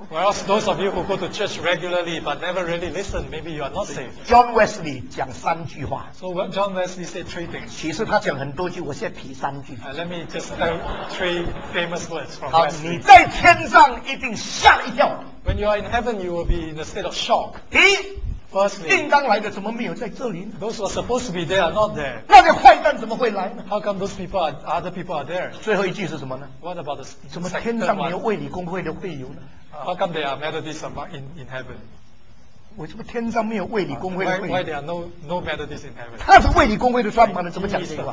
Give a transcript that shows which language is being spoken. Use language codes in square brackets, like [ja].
[en] Whereas those of you who go to church regularly but never really listen, maybe you are not saved. [zh] John Wesley 讲三句话。 [en] So what John Wesley said three things. [zh] 其实他讲很多句，我现在提三句。 [en] Let me just tell three famous words from [zh] Wesley. 你在天上一定吓一跳。 [en] When you are in heaven, you will be in a state of shock. [zh] 第一， [en] Firstly, [zh] 应当来的怎么没有在这里呢？ [en] Those who are supposed to be there are not there. [zh] 那些坏蛋怎么会来呢？ [en] How come those people are, other people are there? [zh] 最后一句是什么呢？ [en] What about the [zh] 怎么天上没有卫理公会的会友呢？ [en] How come there are Methodists in heaven? [zh] 为什么天上没有卫理公会的会友？ [en] Why there are no Methodists in heaven? [zh] 他是卫理公会的专门的，怎么讲这个话？